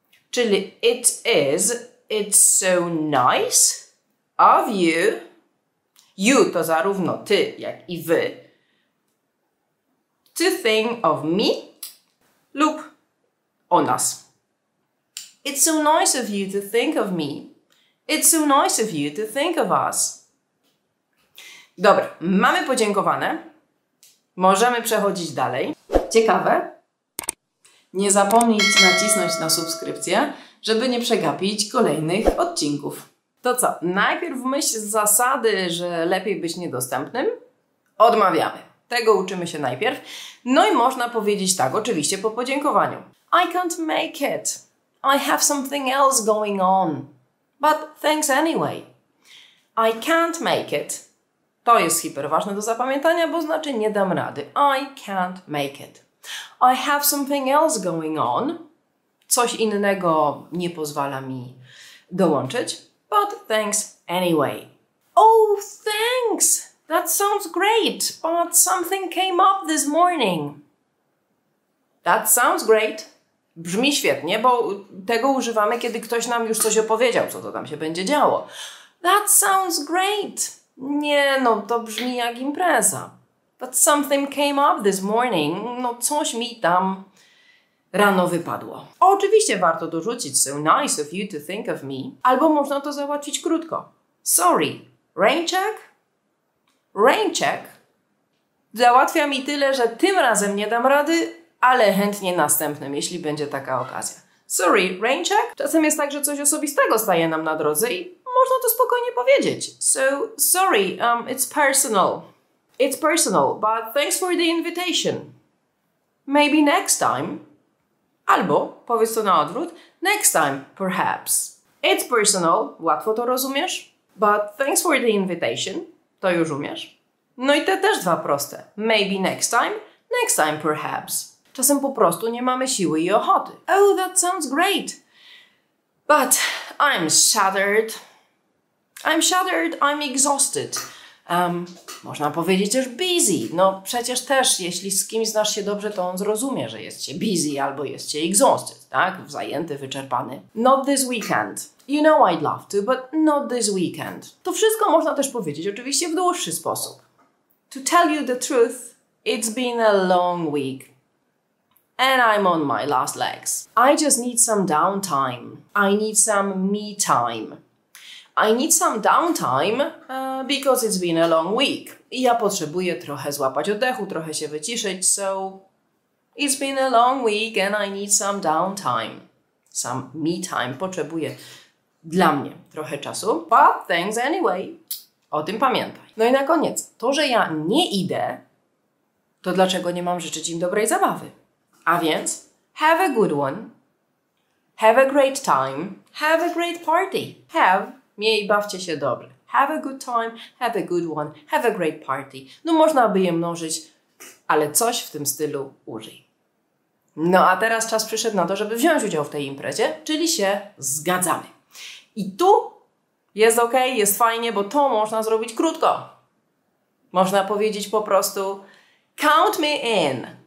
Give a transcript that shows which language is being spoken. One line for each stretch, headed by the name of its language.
English: Czyli it is, it's so nice of you.
Polish: You to zarówno ty, jak i wy.
English: To think of me lub o nas. It's so nice of you to think of me. It's so nice of you to think of us.
Polish: Dobra, mamy podziękowane. Możemy przechodzić dalej. Ciekawe? Nie zapomnij nacisnąć na subskrypcję, żeby nie przegapić kolejnych odcinków. To co? Najpierw myśl z zasady, że lepiej być niedostępnym? Odmawiamy. Tego uczymy się najpierw. No i można powiedzieć tak, oczywiście po podziękowaniu.
English: I can't make it. I have something else going on. But thanks anyway. I can't make it.
Polish: To jest hiper ważne do zapamiętania, bo znaczy nie dam rady.
English: I can't make it. I have something else going on.
Polish: Coś innego nie pozwala mi dołączyć.
English: But thanks anyway. Oh, thanks. That sounds great. But something came up this morning. That sounds great.
Polish: Brzmi świetnie, bo tego używamy, kiedy ktoś nam już coś opowiedział, co to tam się będzie działo. That sounds great. Nie, no to brzmi jak impreza.
English: But something came up this morning.
Polish: No coś mi tam rano wypadło.
English: Oczywiście warto dorzucić so nice of you to think of me.
Polish: Albo można to załatwić krótko. Sorry, rain check? Rain check? Załatwia mi tyle, że tym razem nie dam rady, ale chętnie następnym, jeśli będzie taka okazja. Sorry, rain check? Czasem jest tak, że coś osobistego staje nam na drodze i można to spokojnie powiedzieć.
English: So, sorry, it's personal. It's personal, but thanks for the invitation. Maybe next time. Albo, powiedz to na odwrót, next time, perhaps.
Polish: It's personal, łatwo to rozumiesz. But thanks for the invitation, to już umiesz. No i te też dwa proste.
English: Maybe next time, perhaps.
Polish: Czasem po prostu nie mamy siły i ochoty.
English: Oh, that sounds great. But I'm shattered. I'm shattered, I'm exhausted.
Polish: Można powiedzieć też busy. No przecież też, jeśli z kimś znasz się dobrze, to on zrozumie, że jest się busy albo jest się exhausted, tak?
English: Zajęty, wyczerpany. Not this weekend. You know I'd love to, but not this weekend.
Polish: To wszystko można też powiedzieć oczywiście w dłuższy sposób.
English: To tell you the truth, it's been a long week. And I'm on my last legs. I just need some downtime. I need some me time. I need some downtime because it's been a long week.
Polish: I ja potrzebuję trochę złapać oddechu, trochę się wyciszyć, so it's been a long week and I need some downtime. Some me time. Potrzebuję dla mnie trochę czasu, but thanks anyway. O tym pamiętaj. No i na koniec, to, że ja nie idę, to dlaczego nie mam życzyć im dobrej zabawy?
English: A więc have a good one, have a great time, have a great party.
Polish: Have, miej, bawcie się dobrze.
English: Have a good time, have a good one, have a great party.
Polish: No można by je mnożyć, ale coś w tym stylu użyj. No a teraz czas przyszedł na to, żeby wziąć udział w tej imprezie, czyli się zgadzamy. I tu jest ok, jest fajnie, bo to można zrobić krótko. Można powiedzieć po prostu count me in.